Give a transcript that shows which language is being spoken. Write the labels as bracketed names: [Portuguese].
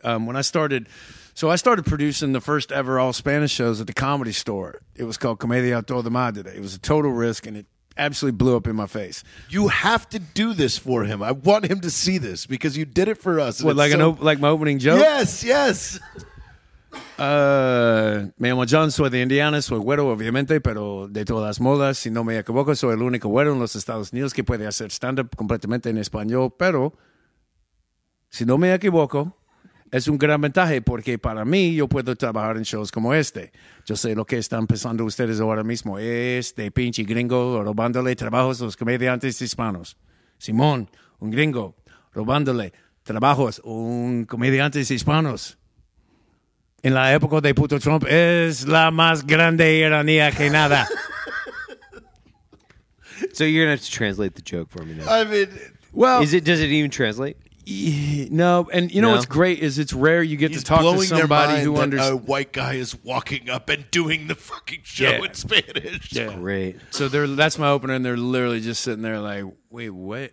[English] When I started, I started producing the first ever all Spanish shows at the Comedy Store. It was called Comedia Toda Madre. It was a total risk and it absolutely blew up in my face. You have to do this for him. I want him to see this because you did it for us. What, like my opening joke? Yes, yes. [Spanish] Me llamo John, soy de Indiana, soy güero obviamente, pero de todas las modas, si no me equivoco, soy el único güero en los Estados Unidos que puede hacer stand-up completamente en español, pero si no me equivoco, es un gran ventaja porque para mí yo puedo trabajar en shows como este. Yo sé lo que están pensando ustedes ahora mismo, este pinche gringo robándole trabajos a los comediantes hispanos. Simón, un gringo robándole trabajos a un comediante hispano. En la época de puto Trump, es la más grande ironía que nada. [English] So you're going to have to translate the joke for me now. I mean, well. Does it even translate? No. And you know what's great is it's rare you get He's to talk to somebody their mind who understands. A white guy is walking up and doing the fucking show in Spanish. It's great. So that's my opener, and they're literally just sitting there like, wait, what?